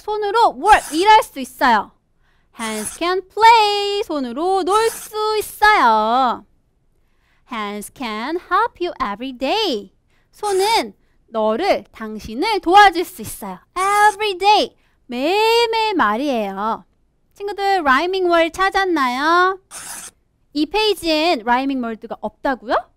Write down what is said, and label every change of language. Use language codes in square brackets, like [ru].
[ko] 손으로 work, 일할 수 있어요. [en] Hands can play. [ko] 손으로 놀 수 있어요. [en] Hands can help you every day. [ko] 손은 너를, 당신을 도와줄 수 있어요. every day. 매일매일 말이에요. 친구들, rhyming word 찾았나요? 이 페이지엔 rhyming word가 없다고요?